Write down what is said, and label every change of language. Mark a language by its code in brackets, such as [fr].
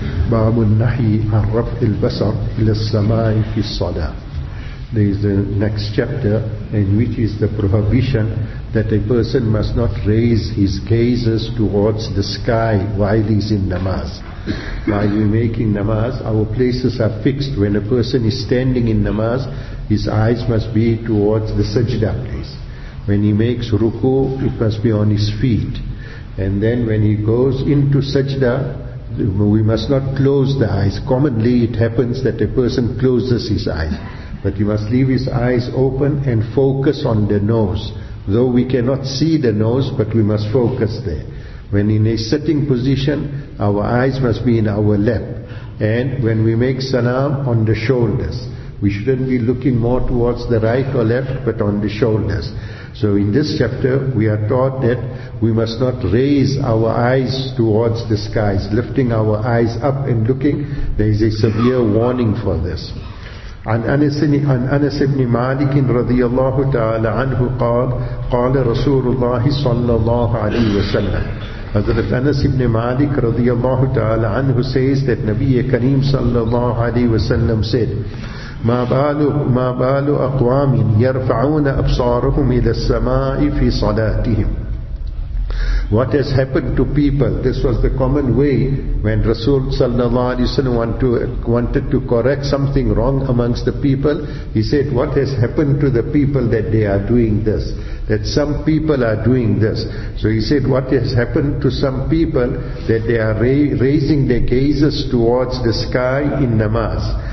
[ar] باب النهي عن رفع البصر إلى السماء في الصلاة. [en] There is the next chapter in which is the prohibition that a person must not raise his gazes towards the sky while he's in namaz. While we're making namaz, our places are fixed. When a person is standing in namaz, his eyes must be towards the sajda place. When he makes ruku, it must be on his feet. And then when he goes into sajda, we must not close the eyes. Commonly it happens that a person closes his eyes, but he must leave his eyes open and focus on the nose. Though we cannot see the nose, but we must focus there. When in a sitting position, our eyes must be in our lap. And when we make salam, on the shoulders. We shouldn't be looking more towards the right or left, but on the shoulders. So in this chapter, we are taught that we must not raise our eyes towards the skies. Lifting our eyes up and looking, there is a severe warning for this. [ar] عن أنس بن مالك رضي الله تعالى عنه قال قال رسول الله صلى الله عليه وسلم. حضرت أنس بن مالك رضي الله تعالى عنه [en] says that [ar] نبي كريم صلى الله عليه وسلم [en] said [ar] ما بال أقوام يرفعون أبصارهم إلى السماء في صلاتهم. [en] What has happened to people? This was the common way when Rasul sallallahu alaihi wasallam wanted to correct something wrong amongst the people. He said, what has happened to the people that they are doing this? That some people are doing this. So he said, what has happened to some people that they are raising their gazes towards the sky in namaz?